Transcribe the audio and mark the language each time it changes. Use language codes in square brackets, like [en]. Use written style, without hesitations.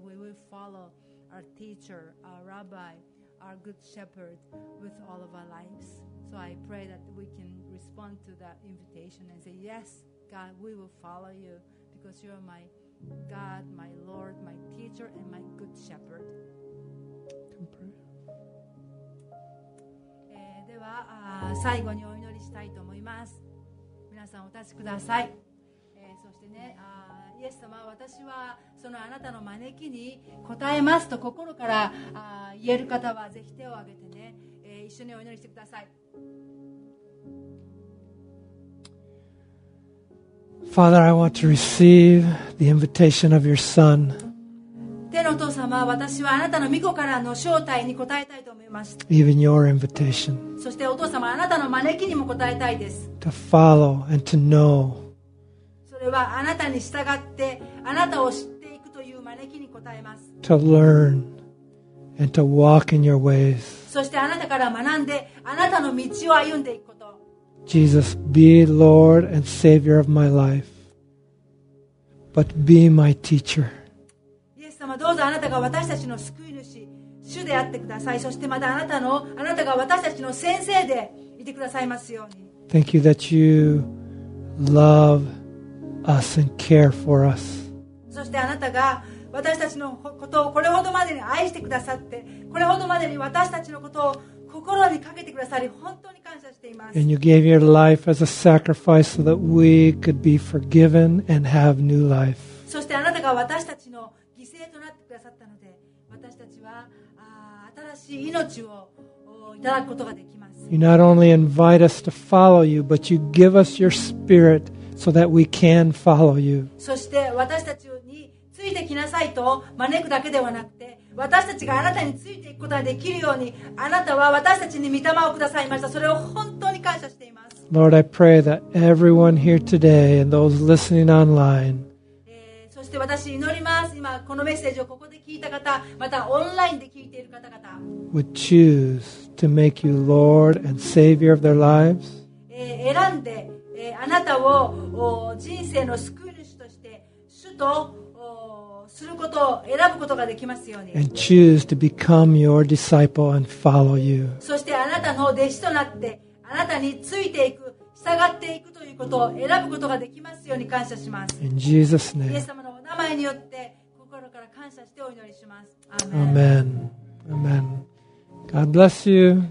[en] We will follow our teacher, our rabbi, our good shepherd with all of our lives. So I pray that we can respond to that invitation and say, yes, God, we will follow you because you are my God, my Lord, my teacher, and my good shepherd. Temporary. [ja] では最後にお祈りしたいと思います。皆さんお立ちください、そしてね、イエス様、私はそのあなたの招きに応えますと心から言える方はぜひ手を挙げてね、一緒にお祈りしてください。 [en] Father, I want to receive the invitation of your Son. [ja] 天のお父様、私はあなたの御子からの招待に応えたいと思います。 [en] Even your invitation. [ja] そしてお父様、あなたの招きにも応えたいです。 [en] To follow and to know. [ja] それはあなたに従ってあなたを知っていくという招きに応えます。 [en] To learn and to walk in your ways. [ja] そしてあなたから学んであなたの道を歩んでいくこと。 [en] Jesus, be Lord and Savior of my life, but be my teacher. [ja] イエス様、どうぞあなたが私たちの救い主主であってください。そしてまたあなたが私たちの先生でいてくださいますように。 [en] Thank you that you love us and care for us. [ja] そしてあなたが私たちのことをこれほどまでに愛してくださって、これほどまでに私たちのことを心にかけてくださり、本当に感謝しています。 [en] And you gave your life as a sacrifice so that we could be forgiven and have new life. [ja] そしてあなたが私たちの犠牲となってくださったので、私たちは新しい命をいただくことができます。 [en] You not only invite us to follow you, but you give us your spirit so that we can follow you. [ja] そして私たちについについてきなさいと招くだけではなくて、私たちがあなたについていくことができるように、あなたは私たちに御霊をくださいました。それを本当に感謝しています。 [en] Lord, I pray that everyone here today and those listening online、 [ja] そして私祈ります、今このメッセージをここで聞いた方、またオンラインで聞いている方々、 [en] would choose to make you Lord and Savior of their lives、 [ja] 選んで、あなたを人生の救い主として主とすることを選ぶことができますように、 [en] and choose to become your disciple and follow you、 [ja] そしてあなたの弟子となってあなたについていく、従っていくということを選ぶことができますように感謝します。 [en] In Jesus' name、 [ja] イエス様のお名前によって心から感謝してお祈りします。 [en] Amen. Amen. God bless you。